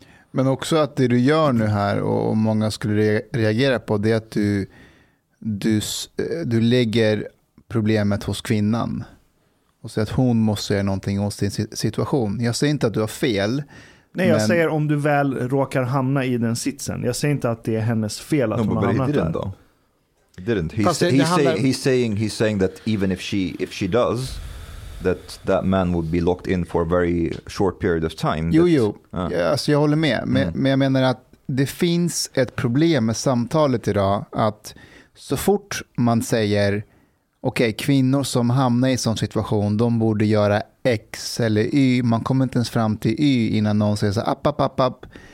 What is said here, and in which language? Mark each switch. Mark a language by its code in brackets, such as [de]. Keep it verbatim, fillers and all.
[sv] Men också att det du gör nu här och många skulle reagera på, det är att du, du, du lägger problemet hos kvinnan och säger att hon måste göra någonting åt sin situation. Jag säger inte att du har fel. Nej, jag men... säger om du väl råkar hamna i den sitsen. Jag säger inte att det är hennes fel att no, hon har hamnat där. Då. [en] Didn't. He's, he's, handlar... saying, he's saying he's saying that even if she if she does that that man would be locked in for a very short period of time. [sv] Jo [en] that, [sv] jo, ah. ja, alltså jag håller med, men, mm. men jag menar att det finns ett problem med samtalet idag, att så fort man säger okej, okay, kvinnor som hamnar i sån situation, de borde göra X eller Y, man kommer inte ens fram till Y innan någon säger så app app app app.